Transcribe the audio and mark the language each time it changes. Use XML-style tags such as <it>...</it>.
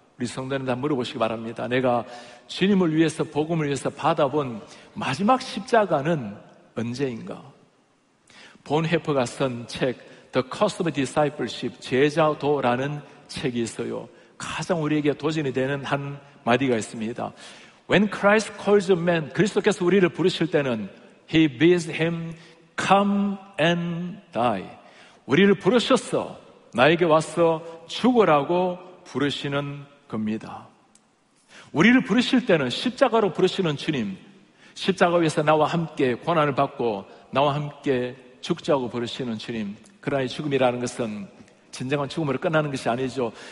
<ko>우리 성도님 다 물어보시기 바랍니다. 내가 주님을 위해서, 복음을 위해서 받아본 마지막 십자가는 언제인가? 본헤퍼가 쓴 책 The Cost of Discipleship, 제자도라는 책이 있어요. 가장 우리에게 도전이 되는 한 마디가 있습니다.</ko> <en>When Christ calls a man,</en> <ko>그리스도께서 우리를 부르실 때는</ko> <en>He bids him come and die.</en> <ko>우리를 부르셨어, 나에게 와서 죽으라고 부르시는 겁니다. 우리를 부르실 때는 십자가로 부르시는 주님, 십자가 위에서 나와 함께 고난을 받고 나와 함께 죽자고 부르시는 주님. 그러나 이 죽음이라는 것은 진정한 죽음으로 끝나는 것이 아니죠.</ko>